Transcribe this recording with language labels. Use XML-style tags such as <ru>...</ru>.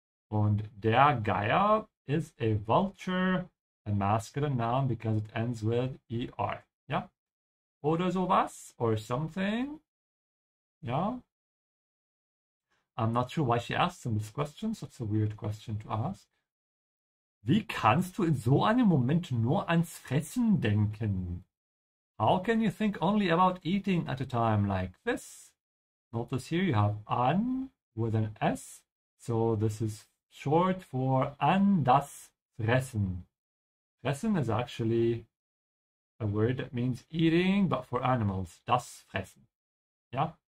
<en>And der Geier is a vulture, a masculine noun, because it ends with er. Yeah.</en> <de>Oder sowas</de> <en>or something. Yeah. I'm not sure why she asked him this question. Such a weird question to ask.</en> <de>Wie kannst du in so einem Moment nur ans Fressen denken?</de> <en>How can you think only about eating at a time like this? Notice here you have an with an S. So this is short for an das Fressen. Fressen is actually a word that means eating, but for animals. Das Fressen. Yeah?</en>